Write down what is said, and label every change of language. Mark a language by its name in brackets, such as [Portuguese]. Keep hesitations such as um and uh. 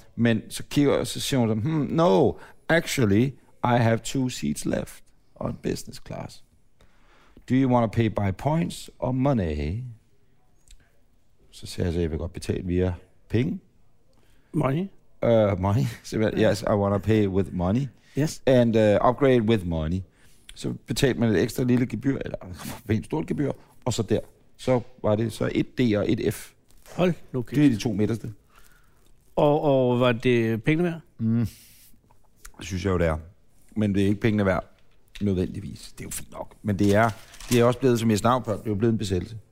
[Danish] Men så kigger så siger hun så, hmm, [English] no, actually, I have two seats left on business class. Do you want to pay by points or money? [Danish] Så siger jeg så, jeg vil godt betale via penge. [English] Money? Uh, money. [Danish] Simpelthen. [English] yes, I want to pay with money. Yes. And uh, upgrade with money. [Danish] Så so betalte man et ekstra lille gebyr, eller en stort gebyr, og så der så var det så et D og et F. Hold nu okay. Det er de to midterste. Og, og var det pengene værd? Mm. Det synes jeg jo, det er. Men det er ikke pengene værd, nødvendigvis. Det er jo fint nok. Men det er, det er også blevet, som jeg snakker før, det er blevet en besættelse.